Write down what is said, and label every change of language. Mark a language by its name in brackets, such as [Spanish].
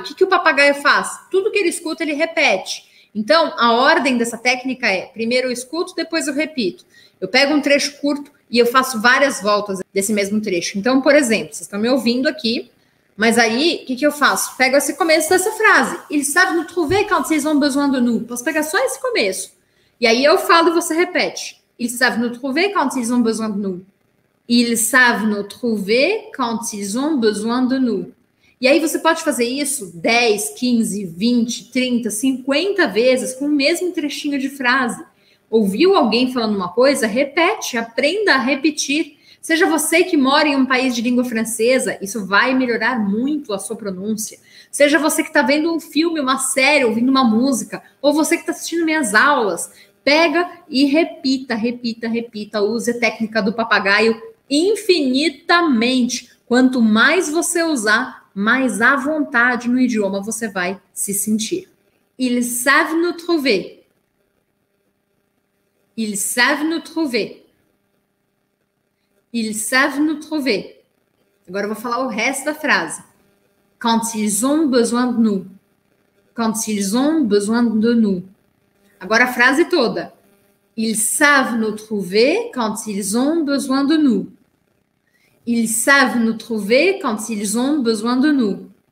[Portuguese] O que o papagaio faz? Tudo que ele escuta, ele repete. Então, a ordem dessa técnica é: primeiro eu escuto, depois eu repito. Eu pego um trecho curto e eu faço várias voltas desse mesmo trecho. Então, por exemplo, vocês estão me ouvindo aqui, mas aí, o que eu faço? Pego esse começo dessa frase. [French] Ele sabe nous trouver quand ils ont besoin de nous. [Portuguese] Posso pegar só esse começo. E aí eu falo e você repete. [French] Ele sabe nous trouver quand ils ont besoin de nous. Ils savent nous trouver quand ils ont besoin de nous. [Portuguese] E aí você pode fazer isso 10, 15, 20, 30, 50 vezes com o mesmo trechinho de frase. Ouviu alguém falando uma coisa? Repete, aprenda a repetir. Seja você que mora em um país de língua francesa, isso vai melhorar muito a sua pronúncia. Seja você que está vendo um filme, uma série, ouvindo uma música, ou você que está assistindo minhas aulas, pega e repita. Use a técnica do papagaio infinitamente. Quanto mais você usar, mais à vontade no idioma você vai se sentir. [French] Ils savent nous trouver. Ils savent nous trouver. Ils savent nous trouver. [Portuguese] Agora eu vou falar o resto da frase. [French] Quand ils ont besoin de nous. Quand ils ont besoin de nous. [Portuguese] Agora a frase toda. [French] Ils savent nous trouver quand ils ont besoin de nous. Ils savent nous trouver quand ils ont besoin de nous.